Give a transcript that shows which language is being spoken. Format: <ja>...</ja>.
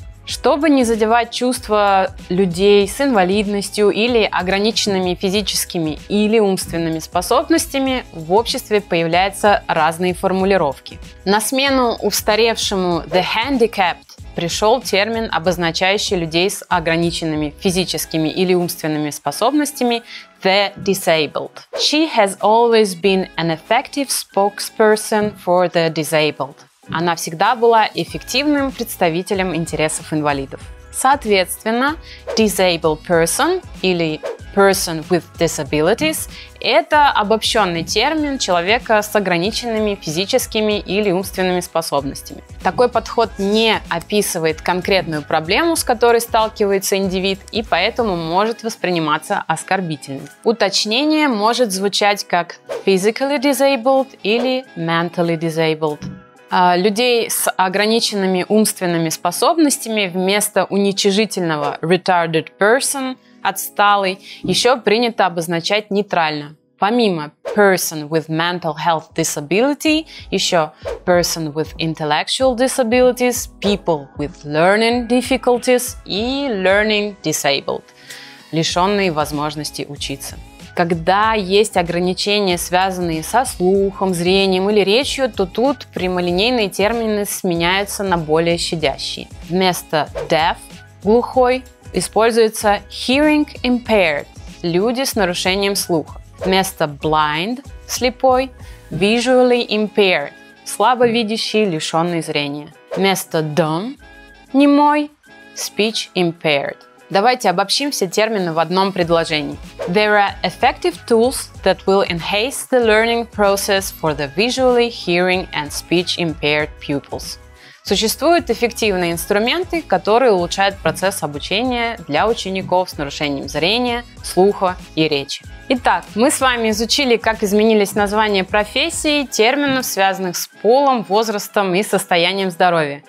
<ru>Чтобы не задевать чувства людей с инвалидностью или ограниченными физическими или умственными способностями, в обществе появляются разные формулировки. На смену устаревшему</ru> <en>«the handicapped»</en> <ru>пришел термин, обозначающий людей с ограниченными физическими или умственными способностями</ru> <en>«the disabled». «She has always been an effective spokesperson for the disabled».</en> <ru>Она всегда была эффективным представителем интересов инвалидов. Соответственно,</ru> <en>disabled person</en> <ru>или</ru> <en>person with disabilities</en> <ru>– это обобщенный термин человека с ограниченными физическими или умственными способностями. Такой подход не описывает конкретную проблему, с которой сталкивается индивид, и поэтому может восприниматься оскорбительным. Уточнение может звучать как</ru> <en>physically disabled</en> <ru>или</ru> <en>mentally disabled.</en> <ru>Людей с ограниченными умственными способностями вместо уничижительного</ru> <en>retarded person,</en> <ru>отсталый, еще принято обозначать нейтрально. Помимо</ru> <en>person with mental health disability,</en> <ru>еще</ru> <en>person with intellectual disabilities, people with learning difficulties</en> <ru>и</ru> <en>learning disabled,</en> <ru>лишенные возможности учиться. Когда есть ограничения, связанные со слухом, зрением или речью, то тут прямолинейные термины сменяются на более щадящие. Вместо deaf – глухой – используется</ru> <en>hearing impaired</en> <ru>– люди с нарушением слуха. Вместо blind – слепой –</ru> <en>visually impaired</en> <ru>– слабовидящие, лишенные зрения. Вместо dumb – немой –</ru> <en>speech impaired.</en> <ru>Давайте обобщим все термины в одном предложении.</ru> <en>There are effective tools that will enhance the learning process for the visually, hearing and speech impaired pupils.</en> <ru>Существуют эффективные инструменты, которые улучшают процесс обучения для учеников с нарушением зрения, слуха и речи. Итак, мы с вами изучили, как изменились названия профессий, терминов, связанных с полом, возрастом и состоянием здоровья.</ru>